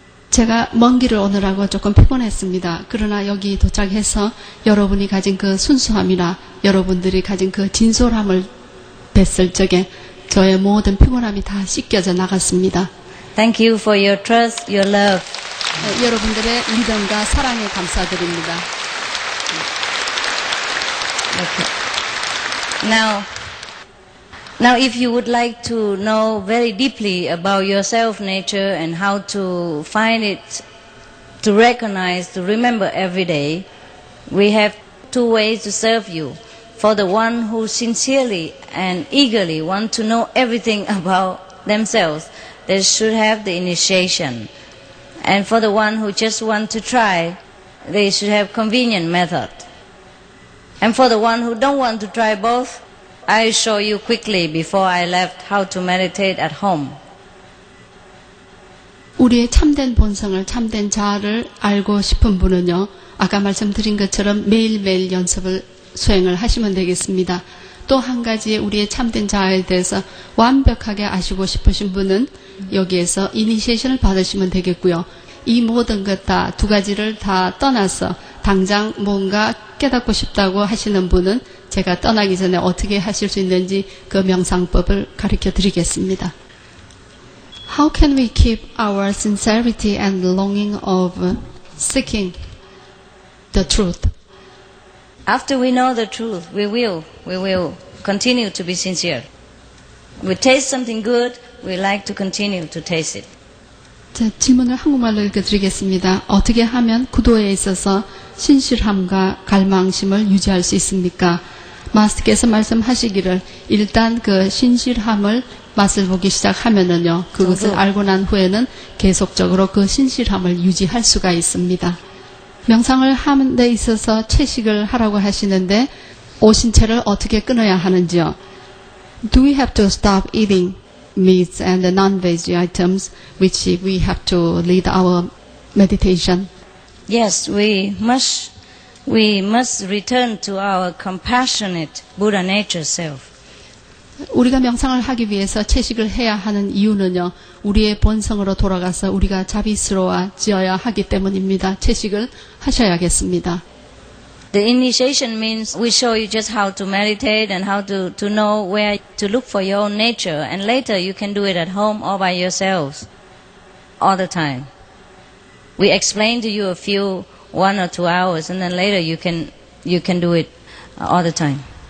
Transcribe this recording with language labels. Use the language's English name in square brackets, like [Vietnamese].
[Korean] 제가 먼 길을 오느라고 조금 피곤했습니다. 그러나 여기 도착해서 여러분이 가진 그 순수함이나 여러분들이 가진 그 진솔함을 뵀을 적에 저의 모든 피곤함이 다 씻겨져 나갔습니다. [English] Thank you for your trust, your love. [Korean] 여러분들의 믿음과 사랑에 감사드립니다. [English] Okay. Now, if you would like to know very deeply about yourself, nature, and how to find it, to recognize, to remember every day, we have two ways to serve you. For the one who sincerely and eagerly want to know everything about themselves, they should have the initiation. And for the one who just want to try, they should have convenient method. And for the one who don't want to try both, I show you quickly before I left how to meditate at home. [Korean] 우리의 참된 본성을 참된 자아를 알고 싶은 분은요, 아까 말씀드린 것처럼 매일매일 연습을 수행을 하시면 되겠습니다. 또 한 가지 우리의 참된 자아에 대해서 완벽하게 아시고 싶으신 분은 여기에서 이니시에이션을 받으시면 되겠고요. 이 모든 것 다 두 가지를 다 떠나서 당장 뭔가 깨닫고 싶다고 하시는 분은 제가 떠나기 전에 어떻게 하실 수 있는지 그 명상법을 가르쳐 드리겠습니다. [English] How can we keep our sincerity and longing of seeking the truth? After we know the truth, we will continue to be sincere. We taste something good, we like to continue to taste it. [Korean] 자, 질문을 한국말로 읽어드리겠습니다. 어떻게 하면 구도에 있어서 신실함과 갈망심을 유지할 수 있습니까? 마스터께서 말씀하시기를 일단 그 신실함을 맛을 보기 시작하면은요, 그것을 알고 난 후에는 계속적으로 그 신실함을 유지할 수가 있습니다. 명상을 하는 데 있어서 채식을 하라고 하시는데 오신체를 어떻게 끊어야 하는지요? [English] Do we have to stop eating meats and non-veg items which we have to lead our meditation? Yes, we must return to our compassionate Buddha nature self. [Korean] 우리가 명상을 하기 위해서 채식을 해야 하는 이유는요, 우리의 본성으로 돌아가서 우리가 자비스러워지어야 하기 때문입니다. 채식을 하셔야겠습니다. [English] The initiation means we show you just how to meditate and how to know where to look for your own nature, and later you can do it at home or by yourselves all the time. We explain to you a few, one or two hours, and then later you can do it all the time.